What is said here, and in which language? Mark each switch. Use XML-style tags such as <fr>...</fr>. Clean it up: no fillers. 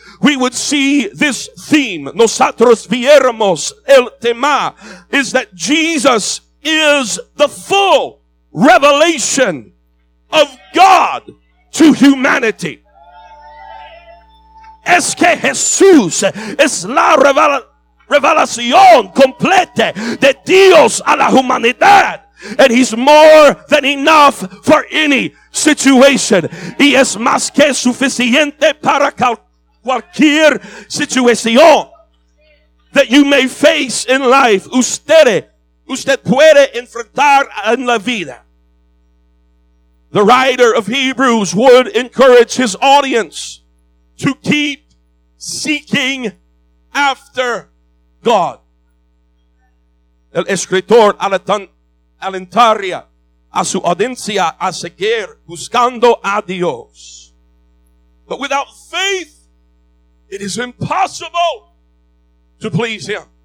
<en>we would see this theme.</en> <es>Nosotros viéramos el tema</es> <en>is that Jesus is the full revelation of God to humanity.</en> <es>Es que Jesús es la revelación completa de Dios a la humanidad.</es> <en>And he's more than enough for any situation.</en> <es>Y es más que suficiente para cualquier situación</es> <en>that you may face in life.</en> <es>Usted puede enfrentar en la vida.</es> <en>The writer of Hebrews would encourage his audience to keep seeking after God.</en> <es>El escritor alentaría a su audiencia a seguir buscando a Dios.</es> <en>But without faith, it is impossible to please Him.</en>